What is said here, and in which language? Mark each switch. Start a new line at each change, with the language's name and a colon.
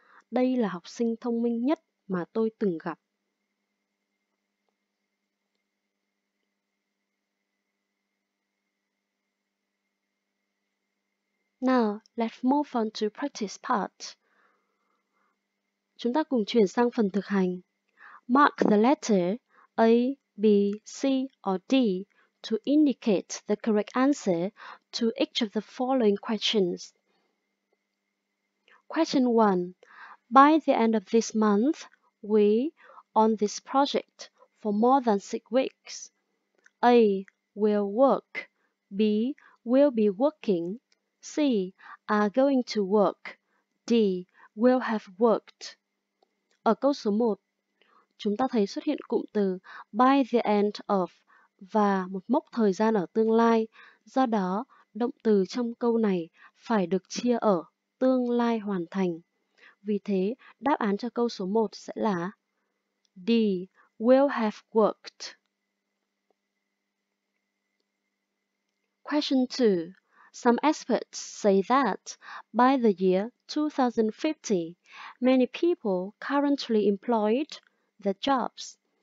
Vietnamese: Đây là học sinh thông minh nhất mà tôi từng gặp.
English: Now, let's move on to practice part.
Vietnamese: Chúng ta cùng chuyển sang phần thực hành.
English: Mark the letter A, B, C, or D to indicate the correct answer to each of the following questions. Question 1. By the end of this month, we on this project for more than 6 weeks. A, will work. B, will be working. C, are going to work. D, will have worked.
Vietnamese: Ở câu số 1, chúng ta thấy xuất hiện cụm từ
English: by the end of
Vietnamese: và một mốc thời gian ở tương lai. Do đó, động từ trong câu này phải được chia ở tương lai hoàn thành. Vì thế, đáp án cho câu số 1 sẽ là D,
English: will have worked. Question 2. Some experts say that by the year 2050, many people currently employed their jobs.